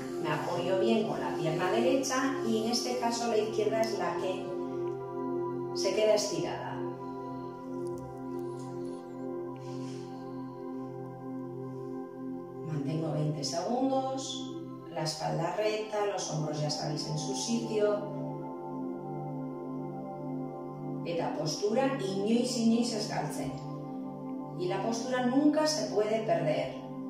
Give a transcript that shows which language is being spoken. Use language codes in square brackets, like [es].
[es] Apoyo bien con la pierna derecha y en este caso la izquierda es la que se queda estirada. Mantengo 20 segundos, la la espalda recta, los hombros ya estáis en su sitio. [eu] Eta postura inoiz inoiz ez galtzen. [es] Y la postura nunca se puede perder.